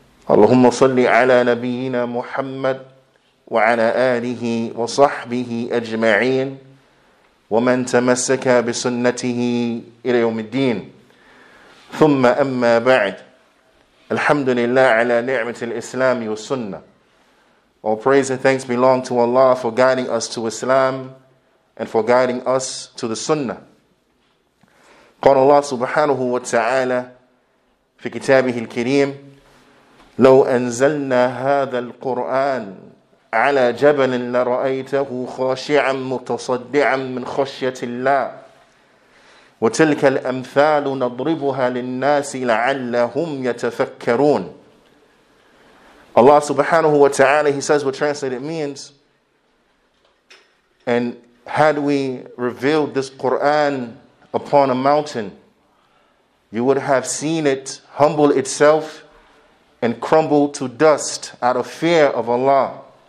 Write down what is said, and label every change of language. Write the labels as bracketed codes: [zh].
[ar] اللهم صل على نبينا محمد وعلى آله وصحبه أجمعين ومن تمسك بسنته إلى يوم الدين. ثم أما بعد, الحمد لله على نعمة الإسلام والسنة. [en] All praise and thanks belong to Allah for guiding us to Islam and for guiding us to the Sunnah. [ar] قال الله سبحانه وتعالى في كتابه الكريم لو أنزلنا هذا القرآن على جبل لرأيته خاشعا متصدعا من خشية الله وتلك الأمثال نضربها للناس لعلهم يتفكرون. [en] Allah subhanahu wa ta'ala, he says, what translated means, and had we revealed this Quran upon a mountain, you would have seen it humble itself and crumble to dust out of fear of Allah.